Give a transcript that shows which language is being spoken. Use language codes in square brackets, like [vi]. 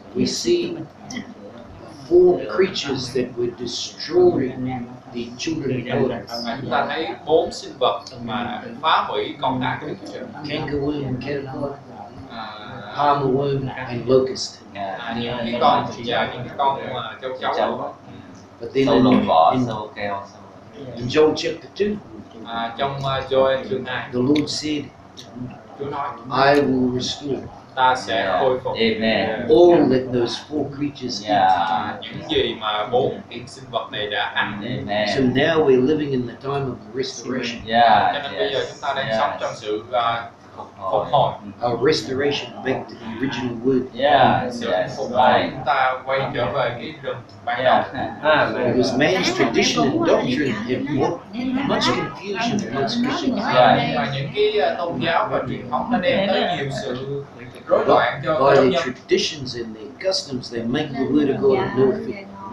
[en] we see four creatures that were destroying the children of God. [vi] Chúng ta thấy bốn sinh vật mà phá hủy con cái của Đức Chúa Trời. [en] Canker worm and caterpillar, palm worm and locust. [vi] Những cái con châu chấu. Sâu lông vỏ, [en] in Joel chapter 2, [vi] trong Joel chương 2, [en] the Lord said, I will restore. [vi] Ta sẽ khôi phục. [en] Amen. All that those four creatures ate. [vi] Những gì mà bốn cái sinh vật này đã ăn. [en] Amen. So now we're living in the time of restoration. Yeah. [vi] Cho nên bây giờ chúng ta đang sống trong sự phục hồi. [en] A restoration back to the original word. Yeah. [vi] Chúng ta quay trở về cái rừng ban đầu. [en] Because man's tradition and doctrine have brought much confusion amongst Christians. [vi] Và những cái tôn giáo và truyền thống nó đem tới nhiều sự rối loạn cho người dân. [en] By their traditions and their customs, they make the word of God of no effect.